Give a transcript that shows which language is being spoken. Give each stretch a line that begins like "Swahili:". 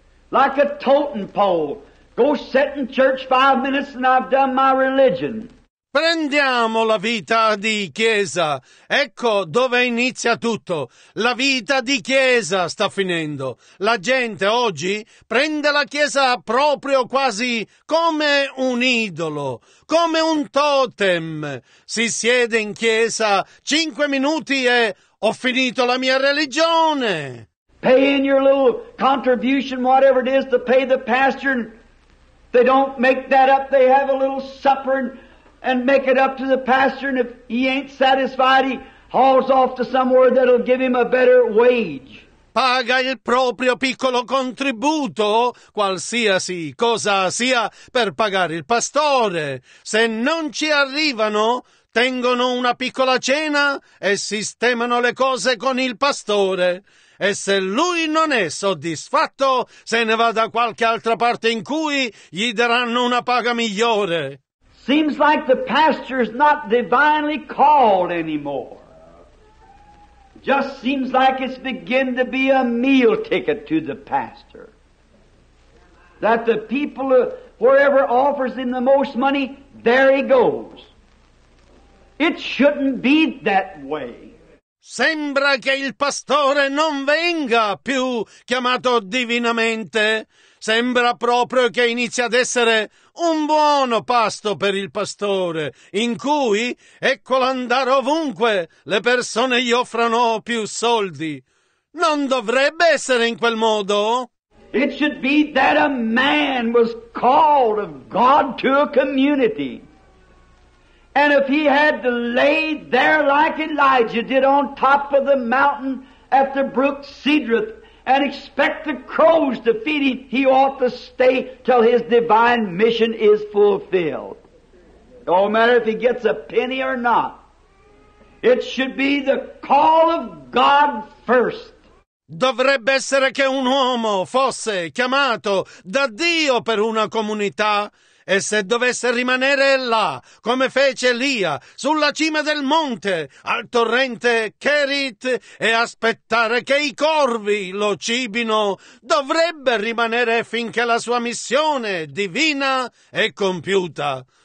English: Like a totem pole. Go sit in church 5 minutes and I've done my religion.
Italian: Prendiamo la vita di chiesa. Ecco dove inizia tutto. La vita di chiesa sta finendo. La gente oggi prende la chiesa proprio quasi come un idolo, come un totem. Si siede in chiesa 5 minuti e ho finito la mia religione.
English: Pay in your little contribution, whatever it is, to pay the pastor. They don't make that up. They have a little supper and make it up to the pastor, and if he ain't satisfied, he hauls off to somewhere that'll give him a better wage.
Italian: Paga il proprio piccolo contributo, qualsiasi cosa sia, per pagare il pastore. Se non ci arrivano, tengono una piccola cena e sistemano le cose con il pastore. E se lui non è soddisfatto, se ne va da qualche altra parte in cui gli daranno una paga migliore.
English: Seems like the pastor is not divinely called anymore. Just seems like it's begin to be a meal ticket to the pastor. That the people, wherever offers him the most money, there he goes. It shouldn't be that way.
Italian: Sembra che il pastore non venga più chiamato divinamente. Sembra proprio che inizia ad essere un buono pasto per il pastore, in cui, ecco l'andare ovunque, le persone gli offrano più soldi. Non dovrebbe essere in quel modo?
English: It should be that a man was called of God to a community. And if he had to lay there like Elijah did on top of the mountain at the brook Cedrith, and expect the crows to feed him, he ought to stay till his divine mission is fulfilled. No matter if he gets a penny or not. It should be the call of God first.
Italian: Dovrebbe essere che un uomo fosse chiamato da Dio per una comunità. E se dovesse rimanere là, come fece Elia, sulla cima del monte, al torrente Cherit, e aspettare che i corvi lo cibino, dovrebbe rimanere finché la sua missione divina è compiuta.